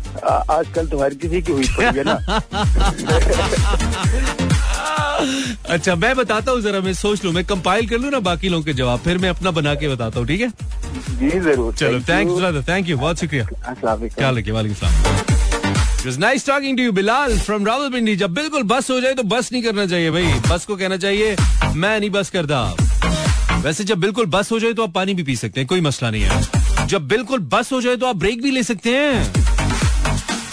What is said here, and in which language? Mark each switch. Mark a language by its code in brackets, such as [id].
[hi] आजकल तो हर किसी की हुई पड़ी है ना. अच्छा मैं बताता हूँ, जरा मैं सोच लूँ, मैं कंपाइल कर लूँ ना बाकी लोगों के जवाब, फिर मैं अपना बना के बताता हूँ. ठीक है जी, जरूर. चलो थैंक्स ब्रदर, थैंक यू, बहुत शुक्रिया. क्या लगे वाले साहब. [en] It was nice talking to you, Bilal from Rawalpindi. [hi] जब बिल्कुल बस हो जाए तो बस नहीं करना चाहिए भाई. बस को कहना चाहिए मैं नहीं बस करता. वैसे जब बिल्कुल बस हो जाए तो आप पानी भी पी सकते हैं, कोई मसला नहीं है. जब बिल्कुल बस हो जाए तो आप ब्रेक भी ले सकते हैं.